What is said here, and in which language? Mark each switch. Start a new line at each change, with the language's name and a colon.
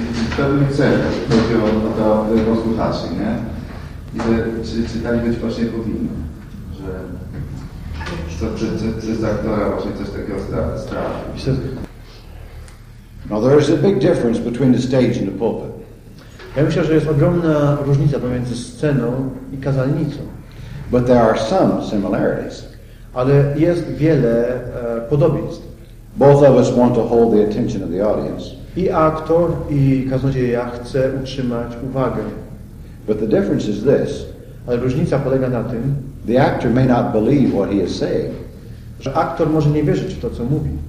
Polish: W pewnym celu, chodzi o słuchaczy, nie? I że, czy tak być właśnie powinno, że co z aktora właśnie coś takiego strafi.
English: Now there is a big difference between the stage and the pulpit.
Polish: Ja myślę, że jest ogromna różnica pomiędzy sceną i kazalnicą.
English: But there are some similarities.
Polish: Ale jest wiele podobieństw.
English: Both of us want to hold the attention of the audience.
Polish: I aktor, i kaznodzieja chce utrzymać uwagę.
English: But the difference is this.
Polish: Ale różnica polega na tym,
English: the actor may not believe what he is saying.
Polish: Że aktor może nie wierzyć w to, co mówi.